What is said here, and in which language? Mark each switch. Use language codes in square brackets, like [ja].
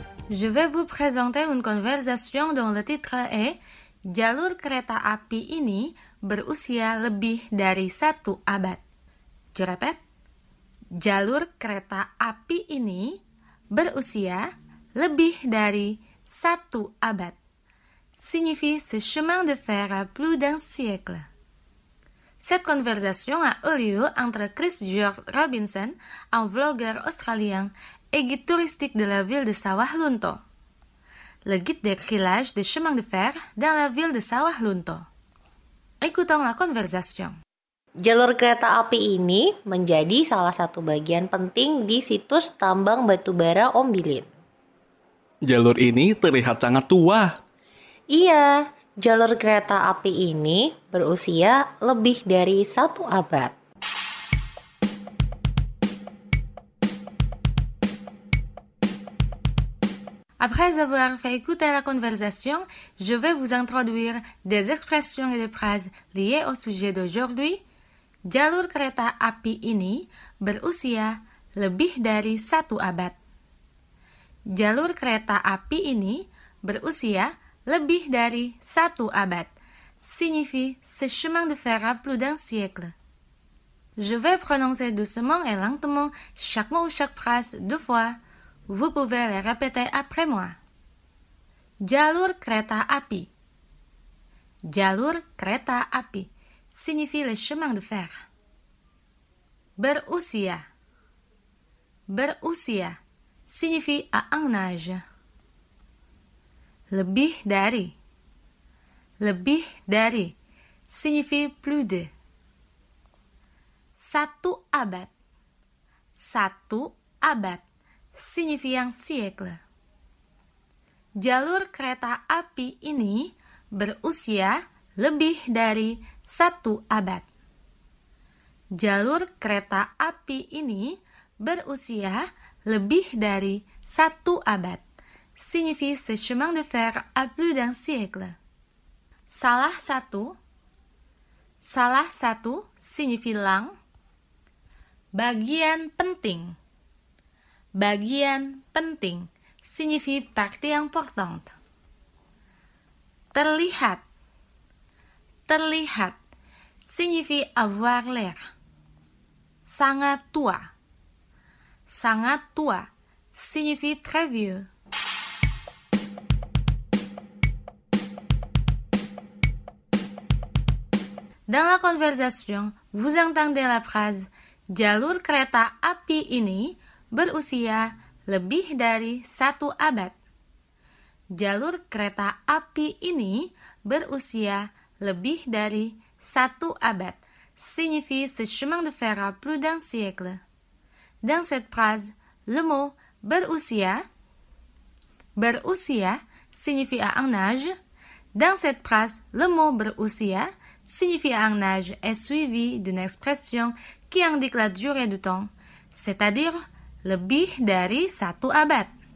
[fr] Je vais vous présenter une conversation dont le titre est « [id] Jalur kereta api ini berusia lebih dari satu abad ». [fr] Je répète. [id] Jalur kereta api ini berusia lebih dari satu abad. [fr] Signifie « ce chemin de fer a plus d'un siècle ». Cette conversation a eu lieu entre Chris George Robinson, un vlogueur australien, et guide touristique de la ville de Sawah Lunto. Le guide décrit l'âge des chemins de fer dans la ville de Sawah Lunto. Écoutons la conversation. [id] Jalur kereta api ini menjadi salah satu bagian penting di situs tambang batubara Ombilin. Jalur ini terlihat sangat tua. Iya, jalur kereta api ini berusia lebih dari satu abad. [fr] Après avoir fait écouter la conversation, je vais vous introduire des expressions et des phrases liées au sujet d'aujourd'hui. [id] Jalur kereta api ini berusia lebih dari satu abad. Jalur kereta api ini berusia lebih dari satu abad. [fr] Signifie ce chemin de fer a plus d'un siècle. Je vais prononcer doucement et lentement chaque mot ou chaque phrase deux fois. Vous pouvez le répéter après moi. [id] Jalur kereta api. Jalur kereta api [fr] signifie le chemin de fer. Berusia. Berusia signifie à un âge. [id] Lebih dari. Lebih dari [fr] signifie plus de. [id] Satu abad. Satu abad [fr] signifie un siècle. [id] Jalur kereta api ini berusia lebih dari satu abad. Jalur kereta api ini berusia lebih dari satu abad. [fr] Signifie ce chemin de fer a plus d'un siècle. [id] Salah satu. Salah satu [fr] signifie lang. [id] Bagian penting. Bagian penting [fr] signifie partie importante. [id] Terlihat. [fr] Terlihat signifie avoir l'air. [id] Sangat tua. Sangat tua [fr] signifie très vieux. Dans la conversation, vous entendez la phrase [id] Jalur kereta api ini berusia lebih dari satu abad. Jalur kereta api ini berusia lebih dari satu abad. [fr] Signifie ce chemin de fer a plus d'un siècle. Dans cette phrase, le mot berusia, berusia signifie à un âge. Dans cette phrase, le mot berusia signifie à un âge est suivi d'une expression qui indique la durée du temps, c'est-à-dire [id] lebih dari satu abad.